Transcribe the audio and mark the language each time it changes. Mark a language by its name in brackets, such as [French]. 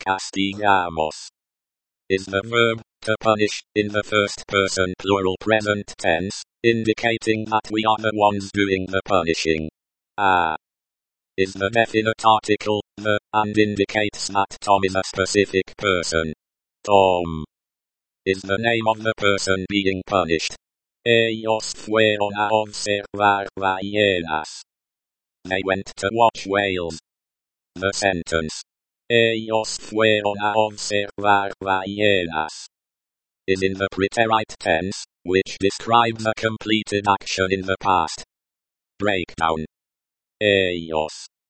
[English] Castigamos is the verb to punish in the first person plural present tense, indicating that we are the ones doing the punishing. Is the definite article the, and indicates that Tom is a specific person. Tom is the name of the person being punished. [Spanish] Ellos fueron a observar ballenas. [English] They went to watch whales. The sentence [Spanish] ellos fueron a observar ballenas [English] is in the preterite tense, which describes a completed action in the past. Breakdown. Ellos.